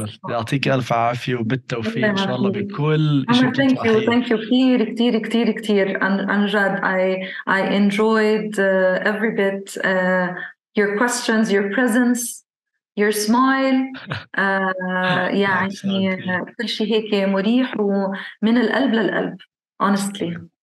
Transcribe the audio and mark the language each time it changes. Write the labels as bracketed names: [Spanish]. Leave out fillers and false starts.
[Arabic] يعطيك ألف عافية وبالتوفيق إن شاء الله بكل شيء. [English] Thank you [Arabic] كتير كتير كتير كتير عن جد. [English] I enjoyed every bit your questions, your presence, your smile. [Arabic] يعني كل شيء هيك مريح ومن القلب للقلب [English] honestly.